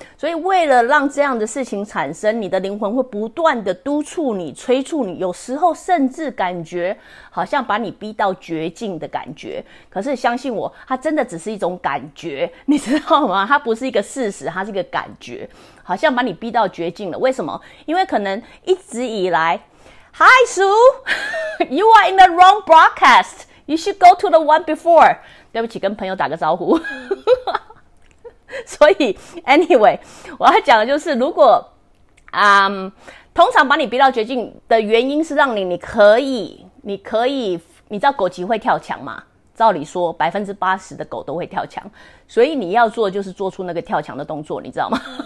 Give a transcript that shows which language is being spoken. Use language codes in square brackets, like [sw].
[zh] 所以为了让这样的事情产生，你的灵魂会不断的督促你，催促你，有时候甚至感觉好像把你逼到绝境的感觉。可是相信我，它真的只是一种感觉，你知道吗？它不是一个事实，它是一个感觉，好像把你逼到绝境了。为什么？因为可能一直以来 [en] Hi Sue, You are in the wrong broadcast, You should go to the one before. [zh] 对不起，跟朋友打个招呼。所以 ，anyway， 我要讲的就是，如果通常把你逼到绝境的原因是让你可以，你知道狗急会跳墙吗？照理说，80%的狗都会跳墙，所以你要做就是做出那个跳墙的动作，你知道吗？